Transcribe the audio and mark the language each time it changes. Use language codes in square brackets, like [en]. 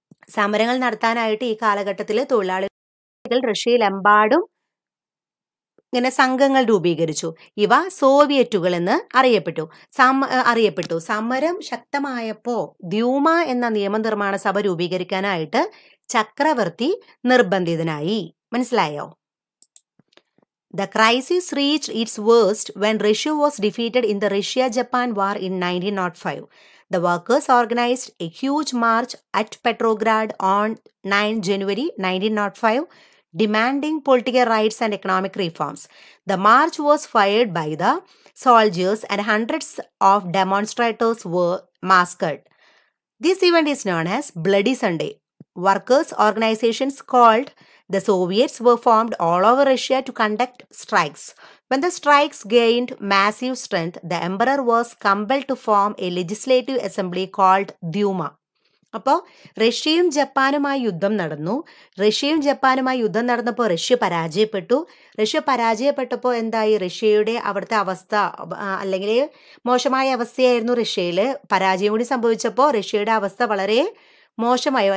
[ml] സമരങ്ങൾ നടത്താനായിട്ട് ഈ കാലഘട്ടത്തിൽ തൊഴിലാളികൾ റഷ്യയിലെമ്പാടും ഇങ്ങനെ സംഘങ്ങൾ രൂപീകരിച്ചു. ഇവ സോവിയറ്റുകൾ എന്ന് അറിയപ്പെട്ടു. സമരം ശക്തമായപ്പോ ദ്യൂമ എന്ന നിയമനിർമ്മാണ സഭ രൂപീകരിക്കാനായിട്ട് ചക്രവർത്തി നിർബന്ധിതനായി. മനസ്സിലായോ? [en] The crisis reached its worst when Russia was defeated in the Russia-Japan war in 1905. The workers organized a huge march at Petrograd on 9 January 1905, demanding political rights and economic reforms. The march was fired by the soldiers and hundreds of demonstrators were massacred. This event is known as Bloody Sunday. Workers' organizations called the Soviets were formed all over Russia to conduct strikes. When the strikes gained massive strength, the emperor was compelled to form a legislative assembly called Duma. [ml] അപ്പോൾ റഷ്യയും ജപ്പാനുമായി യുദ്ധം നടന്നു. റഷ്യയും ജപ്പാനുമായി യുദ്ധം നടന്നപ്പോൾ Russia പരാജയപ്പെട്ടു. Russia പരാജയപ്പെട്ടപ്പോൾ എന്തായി? റഷ്യയുടെ അവിടുത്തെ അവസ്ഥ, അല്ലെങ്കിൽ മോശമായ അവസ്ഥയായിരുന്നു റഷ്യയിൽ. പരാജയം കൂടി സംഭവിച്ചപ്പോൾ റഷ്യയുടെ അവസ്ഥ വളരെ മോശമായി.